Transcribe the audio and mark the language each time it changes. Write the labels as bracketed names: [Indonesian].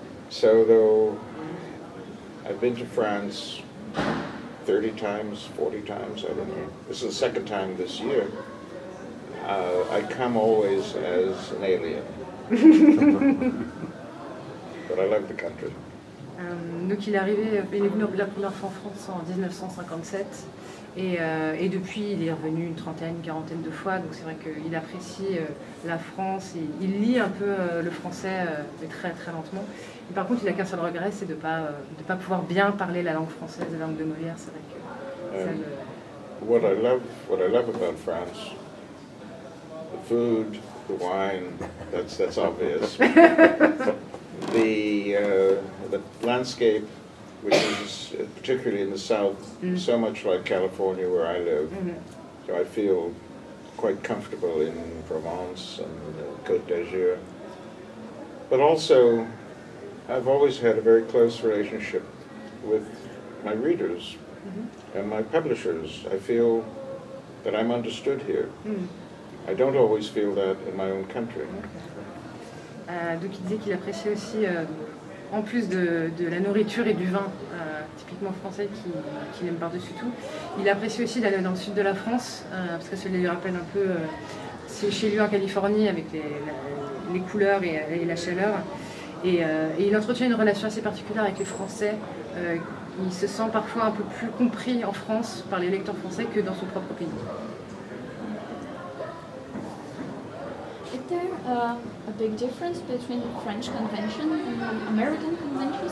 [English] So though I've been to France 30 times, 40 times, I don't know. This is the second time this year. I come always as an alien. But I love the country. [French] Donc il est venu la première fois en France en 1957. Et depuis, il est revenu une trentaine, une quarantaine de fois. Donc c'est vrai qu'il apprécie la France. Il lit un peu le français, mais très très lentement. Et par contre, il n'a qu'un seul regret, c'est de ne pas, pas pouvoir bien parler la langue française, la langue de Molière. C'est vrai que [English] What I love about France, the food, the wine, that's obvious. the landscape, which is particularly in the south, so much like California where I live, so I feel quite comfortable in Provence and Côte d'Azur. But also, I've always had a very close relationship with my readers. And my publishers, I feel that I'm understood here. I don't always feel that in my own country. [French] Donc il disait qu'il appréciait aussi, en plus de la nourriture et du vin, typiquement français, qu'il aime par-dessus tout, il apprécie aussi d'aller dans le sud de la France, parce que cela lui rappelle un peu chez lui en Californie, avec les couleurs et la chaleur. Et il entretient une relation assez particulière avec les Français. Il se sent parfois un peu plus compris en France par les lecteurs français que dans son propre pays. [English] Is there a big difference between French convention and American conventions?